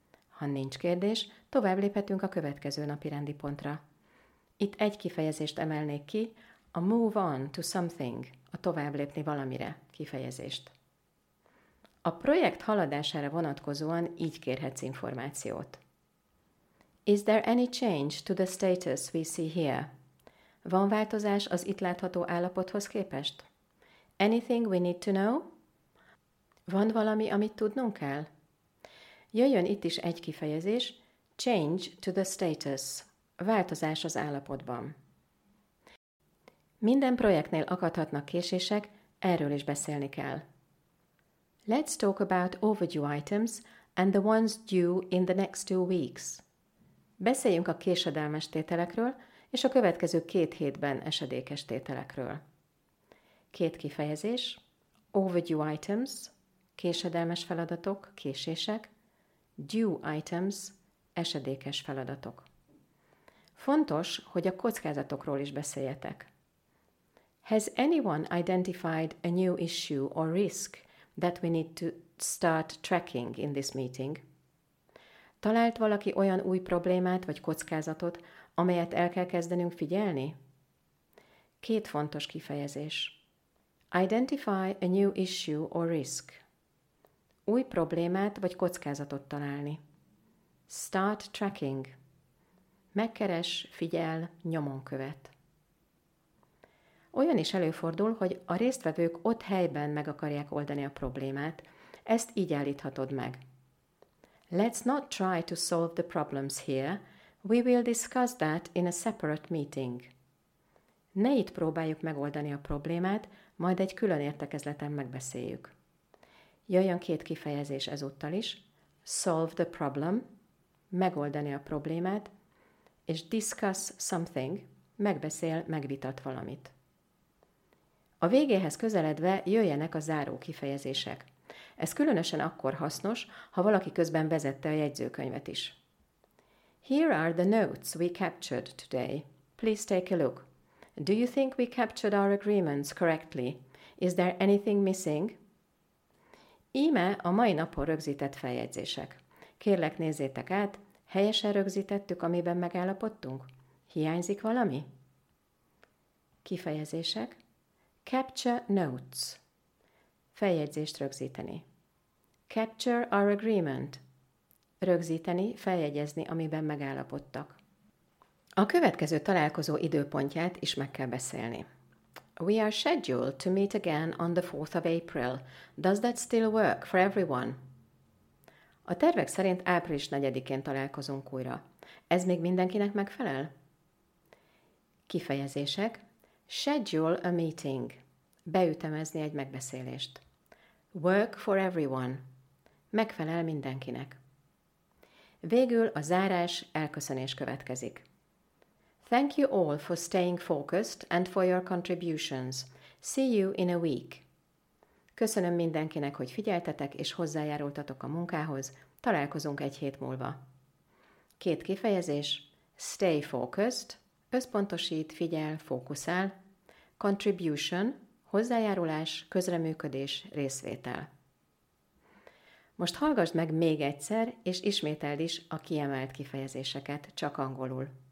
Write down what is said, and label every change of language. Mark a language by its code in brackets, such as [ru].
[hu] Ha nincs kérdés, tovább léphetünk a következő napi rendi pontra. Itt egy kifejezést emelnék ki, a [en] move on to something, [hu] a tovább lépni valamire kifejezést. A projekt haladására vonatkozóan így kérhetsz információt. [en] Is there any change to the status we see here? [hu] Van változás az itt látható állapothoz képest? [en] Anything we need to know? [hu] Van valami, amit tudnunk kell? Jöjjön itt is egy kifejezés, [en] Change to the status. [hu] Változás az állapotban. Minden projektnél akadhatnak késések, erről is beszélni kell. [en] Let's talk about overdue items and the ones due in the next 2 weeks. [hu] Beszéljünk a késedelmes tételekről és a következő 2 hétben esedékes tételekről. Két kifejezés, [en] overdue items, [hu] késedelmes feladatok, késések, [en] due items, [hu] esedékes feladatok. Fontos, hogy a kockázatokról is beszéljetek. [en] Has anyone identified a new issue or risk that we need to start tracking in this meeting? [hu] Talált valaki olyan új problémát vagy kockázatot, amelyet el kell kezdenünk figyelni? Két fontos kifejezés. [en] Identify a new issue or risk. [hu] Új problémát vagy kockázatot találni. [en] Start tracking. [hu] Megkeres, figyel, nyomon követ. Olyan is előfordul, hogy a résztvevők ott helyben meg akarják oldani a problémát. Ezt így állíthatod meg. [en] Let's not try to solve the problems here. We will discuss that in a separate meeting. [hu] Ne itt próbáljuk megoldani a problémát, majd egy külön értekezleten megbeszéljük. Jöjjön két kifejezés ezúttal is. [en] Solve the problem, [hu] megoldani a problémát, és [en] discuss something, [hu] megbeszél, megvitat valamit. A végéhez közeledve jöjjenek a záró kifejezések. Ez különösen akkor hasznos, ha valaki közben vezette a jegyzőkönyvet is. [en] Here are the notes we captured today. Please take a look. Do you think we captured our agreements correctly? Is there anything missing? [hu] Íme a mai napon rögzített feljegyzések. Kérlek, nézzétek át, helyesen rögzítettük, amiben megállapodtunk? Hiányzik valami? Kifejezések. [en] Capture notes. [hu] Feljegyzést rögzíteni. [en] Capture our agreement. [hu] Rögzíteni, feljegyezni, amiben megállapodtak. A következő találkozó időpontját is meg kell beszélni. [en] We are scheduled to meet again on the 4th of April. Does that still work for everyone? [hu] A tervek szerint április 4-én találkozunk újra. Ez még mindenkinek megfelel? Kifejezések. [en] Schedule a meeting. [hu] Beütemezni egy megbeszélést. [en] Work for everyone. [hu] Megfelel mindenkinek. Végül a zárás, elköszönés következik. [en] Thank you all for staying focused and for your contributions. See you in a week. [hu] Köszönöm mindenkinek, hogy figyeltetek és hozzájárultatok a munkához. Találkozunk 1 hét múlva. Két kifejezés. [en] Stay focused. [hu] Összpontosít, figyel, fókuszál. Contribution. Hozzájárulás, közreműködés, részvétel. Most hallgasd meg még egyszer, és ismételd is a kiemelt kifejezéseket, csak angolul.